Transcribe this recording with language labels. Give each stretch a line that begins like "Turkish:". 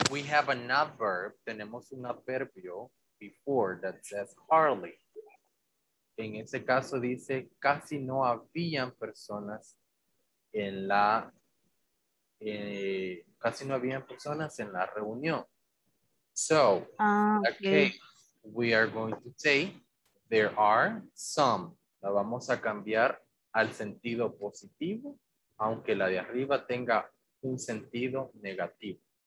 English: We have an adverb,
Spanish: tenemos un adverbio
English: before that says hardly.
Spanish: En ese caso dice, casi no habían personas en la, casi no habían personas en la reunión.
English: So, okay, we are going to say, there are some.
Spanish: La vamos a cambiar al sentido positivo, aunque la de arriba tenga un sentido negativo.